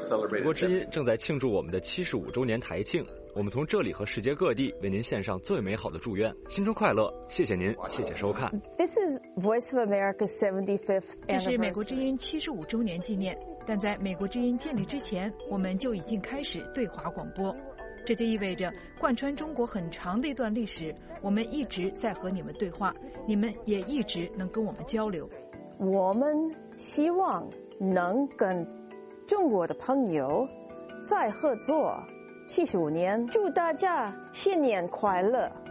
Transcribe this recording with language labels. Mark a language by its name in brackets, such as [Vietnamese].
[Chinese] 美国之音正在庆祝我们的75周年台庆，我们从这里和世界各地为您献上最美好的祝愿，新春快乐！谢谢您，谢谢收看。 [English] This is Voice of America 75th. [Chinese] 这是美国之音75周年纪念，但在美国之音建立之前，我们就已经开始对华广播，这就意味着贯穿中国很长的一段历史，我们一直在和你们对话，你们也一直能跟我们交流。我们希望能跟中国的朋友再合作75年，祝大家新年快乐。